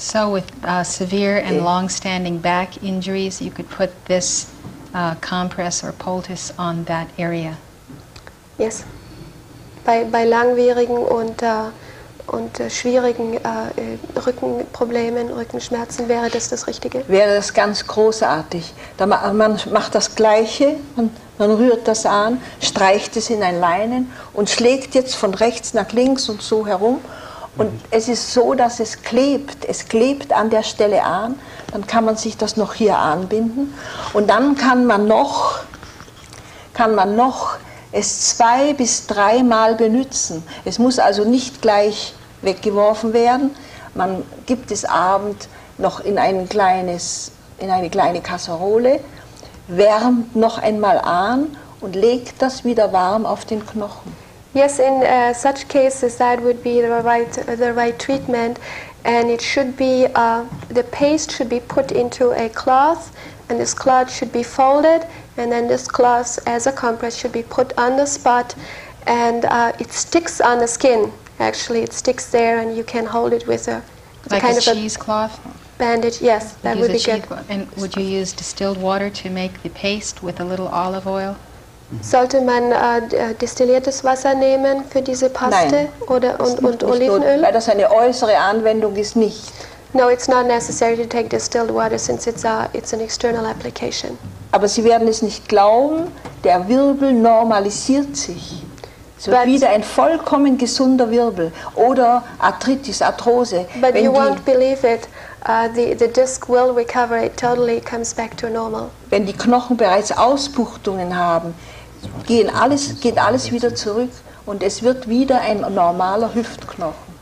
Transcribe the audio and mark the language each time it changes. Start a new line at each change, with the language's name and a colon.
English: So with severe and long-standing back injuries, you could put this compress or poultice on that area. Yes.
German: Bei langwierigen und schwierigen Rückenproblemen, Rückenschmerzen wäre das das Richtige? Wäre das ganz großartig. Da man macht das Gleiche, man rührt das an, streicht es in ein Leinen und schlägt jetzt von rechts nach links und so herum. Und es ist so, dass es klebt an der Stelle an, dann kann man sich das noch hier anbinden und dann kann man noch es 2 bis 3 Mal benutzen. Es muss also nicht gleich weggeworfen werden, man gibt es abend noch in eine kleine Kasserole, wärmt noch einmal an und legt das wieder warm auf den Knochen.
English: Yes, in such cases that would be the right treatment, and it should be the paste should be put into a cloth, and this cloth should be folded, and then this cloth as a compress should be put on the spot, and it sticks on the skin. Actually, it sticks there, and you can hold it with a cheesecloth bandage. Yes, that would be good. And would you use distilled water to make the paste with a little olive oil?
German: Sollte man distilliertes Wasser nehmen für diese Paste? Nein, oder und Olivenöl? Weil das eine äußere Anwendung ist, nicht.
English: No, it's not necessary to take distilled water since it's an external application.
German: Aber Sie werden es nicht glauben, der Wirbel normalisiert sich. Es wird wieder ein vollkommen gesunder Wirbel oder Arthritis, Arthrose.
English: But you won't believe it. The disc will recover, it totally comes back to normal.
German: Wenn die Knochen bereits Ausbuchtungen haben, geht alles wieder zurück und es wird wieder ein normaler Hüftknochen.